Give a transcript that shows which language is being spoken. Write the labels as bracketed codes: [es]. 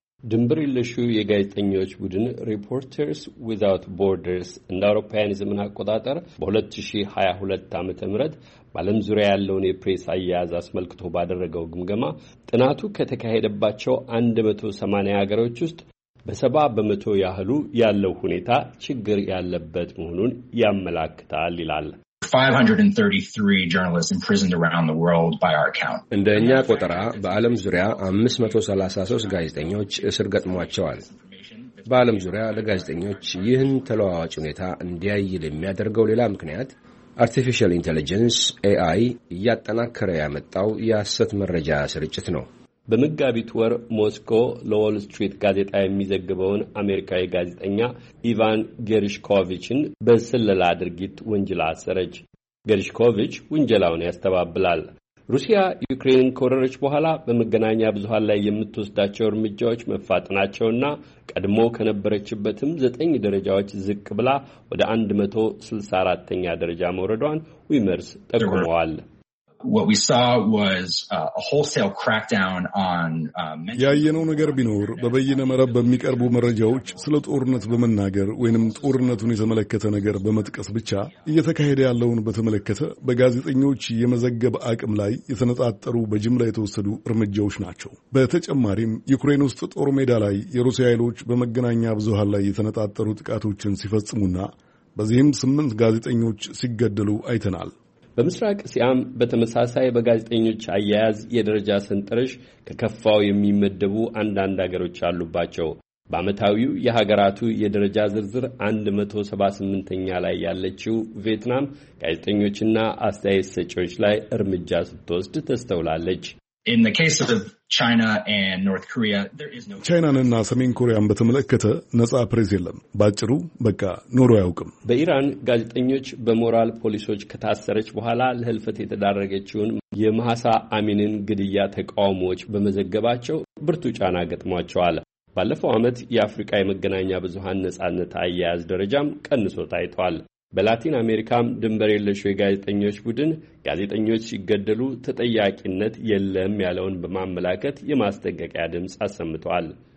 [am] ድንበር የለሹ የጋዜጠኞች ቡድን ሪፖርተርስ ዊዛውት ቦርደርስ እንደ አውሮፓውያን ዘመን አቆጣጠር በ2022 ዓ.ም በዓለም ዙሪያ ያለውን የፕሬስ አያያዝ አስመልክቶ ባደረገው ግምገማ ጥናቱ ከተካሄደባቸው 180 ሀገሮች ውስጥ በ70 በመቶ ያህሉ ያለው ሁኔታ ችግር ያለበት መሆኑን ያመላክታል ይላል። [en] 533 journalists imprisoned around the world by our count. [am] እንደ እኛ ቆጠራ በዓለም ዙሪያ 533 ጋዜጠኞች እስር ገጥሟቸዋል። በዓለም ዙሪያ ለጋዜጠኞች ይህን ተለዋዋጭ ሁኔታ እንዲያይል የሚያደርገው ሌላ ምክንያት artificial intelligence AI እያጠናከረ ያመጣው የሐሰት መረጃ ስርጭት ነው። በመጋቢት ወር ሞስኮ ለዎል ስትሪት ጋዜጣ የሚዘግበውን አሜሪካዊ ጋዜጠኛ ኢቫን ጌርሽኮቪችን በስለላ ድርጊት ወንጀላ አሰረች። ጌርሽኮቪች ወንጀላውን ያስተባብላል። ሩሲያ ዩክሬንን ከወረረች በኋላ በመገናኛ ብዙሃን ላይ የምትወስዳቸው እርምጃዎች መፋጠናቸውና ቀድሞ ከነበረችበትም 9 ደረጃዎች ዝቅ ብላ ወደ 164ኛ ደረጃ መውረዷን ዊመርስ ጠቁመዋል። [en] What we saw was a wholesale crackdown on [am] ያየነው ነገር ቢኖር በበይነ መረብ በሚቀርቡ መረጃዎች ስለ ጦርነት በመናገር ወይንም ጦርነቱን የተመለከተ ነገር በመጥቀስ ብቻ እየተካሄደ ያለውን በተመለከተ በጋዜጠኞች የመዘገብ አቅም ላይ የተነጣጠሩ በጅምላ የተወሰዱ እርምጃዎች ናቸው። በተጨማሪም ዩክሬን ውስጥ ጦር ሜዳ ላይ የሩሲያ ኃይሎች በመገናኛ ብዙሃን ላይ የተነጣጠሩ ጥቃቶችን ሲፈጽሙና በዚህም 8 ጋዜጠኞች ሲገደሉ አይተናል። በምስራቅ እስያም በተመሳሳይ በጋዜጠኞች አያያዝ የደረጃ ሰንጠረዥ ከከፋው የሚመደቡ አንዳንድ ሀገሮች አሉባቸው። በአመታዊው የሀገራቱ የደረጃ ዝርዝር 178ኛ ላይ ያለችው ቪየትናም ጋዜጠኞችና አስተያየት ሰጪዎች ላይ እርምጃ ስትወስድ ተስተውላለች። [en] In the case of China and North Korea, there is no [am] ቻይናንና ሰሜን ኮሪያን በተመለከተ ነጻ ፕሬስ የለም። ባጭሩ በቃ ኖሮ ያውቅም። በኢራን ጋዜጠኞች በሞራል ፖሊሶች ከታሰረች በኋላ ለህልፈት የተዳረገችውን የማሃሳ አሚንን ግድያ ተቃውሞዎች በመዘገባቸው ብርቱ ጫና ገጥሟቸዋል። ባለፈው ዓመት የአፍሪካ የመገናኛ ብዙሃን ነጻነት አያያዝ ደረጃም ቀንሶ ታይቷል። በላቲን አሜሪካም ድንበር የለሽ የጋዜጠኞች ቡድን ጋዜጠኞች ሲገደሉ ተጠያቂነት የለም ያለውን በማመላከት የማስጠንቀቂያ ድምጽ አሰምቷል።